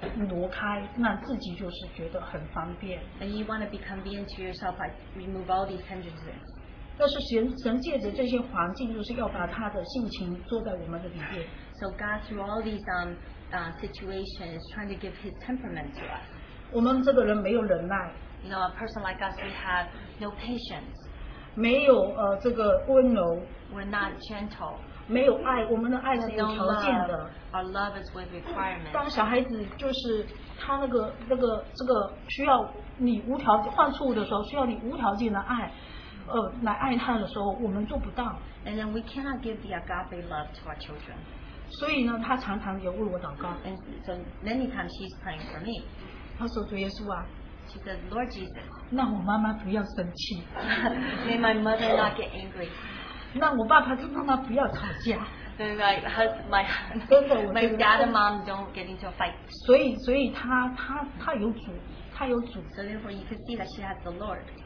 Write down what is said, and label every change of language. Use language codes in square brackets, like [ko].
[zh] 对，想要很快的把这些，就说情形挪开，那自己就是觉得很方便。 [en] And you want to be convenient to yourself by remove all these hindrances. [zh] 但是神借着这些环境，就是要把他的性情做在我们的里面。 [en] So God, through all these situations, is trying to give His temperament to us. [zh] 我们这个人没有忍耐。 [en] You know, a person like us, we have no patience. [zh] 没有, 这个温柔, [en] we're not gentle. [zh] 没有爱, 我们的爱是有条件的。 [en] Our love is with requirements. [zh] 当小孩子就是, 他那个, 这个需要你无条件, 犯错误的时候, 需要你无条件的爱, 来爱他的时候, 我们做不到。 [en] And then we cannot give the agape love to our children. [zh] 所以呢, 他常常有为我祷告。 [en] And so many times she's praying for me. [zh] 他说主耶稣啊, [en] she said, Lord Jesus, may my mother not get angry. [zh] 那我爸爸跟妈妈不要吵架。 [en] Then my husband, my dad and mom don't get into a fight. [zh] 所以他有主。他有主, [en] so therefore you can see that she has the Lord.